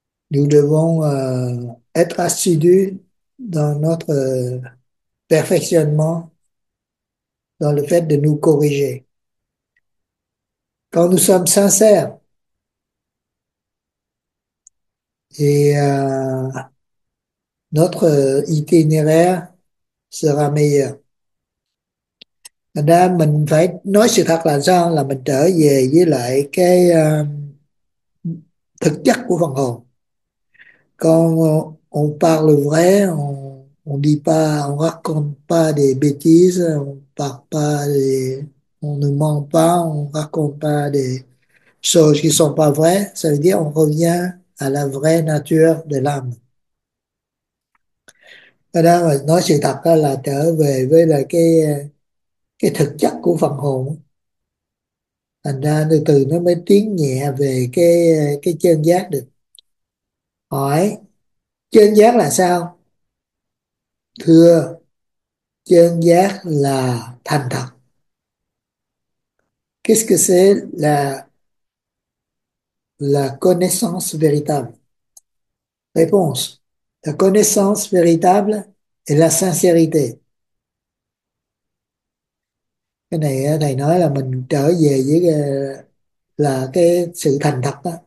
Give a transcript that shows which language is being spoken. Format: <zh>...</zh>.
<fr>Nous devons être assidus dans notre perfectionnement, dans le fait de nous corriger. Quand nous sommes sincères et notre itinéraire sera meilleur.</fr> <vi>Là mình phải nói sự thật là sao? Là mình trở về với lại cái thực chất của phần hồn.</vi> <fr>Còn on parle vrai, on dit pas, on raconte pas des bêtises, on parle pas des, on ne ment pas, on raconte pas des choses qui sont pas vraies. Ça veut dire on revient à la vraie nature de l'âme.</fr> <vi>Cái đó mà nói sự thật đó là trở về với là cái thực chất của phần hồn. Thành ra từ từ nó mới tiến nhẹ về cái chân giác được. Hỏi chân giác là sao? Thưa, chân giác là thành thật.</vi> <fr>Qu'est-ce que c'est la connaissance véritable? Réponse. La connaissance véritable et la sincérité.</fr> <vi>Cái này thầy nói là mình trở về với là cái sự thành thật đó.</vi>